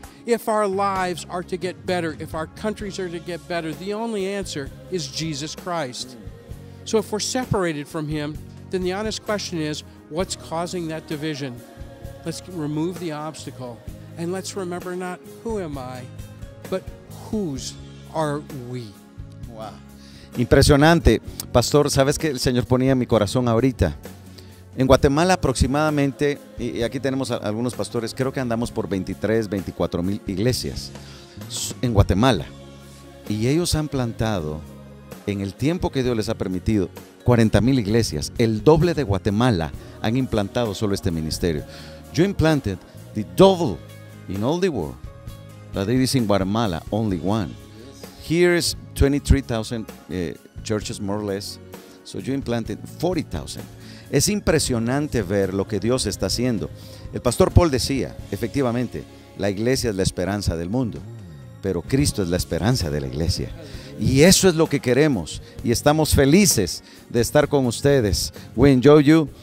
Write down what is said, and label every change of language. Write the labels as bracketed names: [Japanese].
[English] If our lives are to get better, if our countries are to get better, the only answer is Jesus Christ. So if we're separated from Him, then the honest question is, what's causing that division? Let's remove the obstacle, and let's remember not who am I, but whose are we? [Spanish] Wow. Impresionante. Pastor, ¿sabes qué el Señor ponía en mi corazón ahorita? En Guatemala aproximadamente, y aquí tenemos a algunos pastores, creo que andamos por 23, 24 mil iglesias en Guatemala. Y ellos han plantado, en el tiempo que Dios les ha permitido, 40 mil iglesias. El doble de Guatemala han implantado solo este ministerio. [English] Yo implanted the double in all the world, but it is in Guatemala only one. Here is 23,000 churches more or less, so you implanted 40,000. [Spanish] Es impresionante ver lo que Dios está haciendo. El pastor Paul decía, efectivamente, la iglesia es la esperanza del mundo, pero Cristo es la esperanza de la iglesia. Y eso es lo que queremos y estamos felices de estar con ustedes. [English] We enjoy you.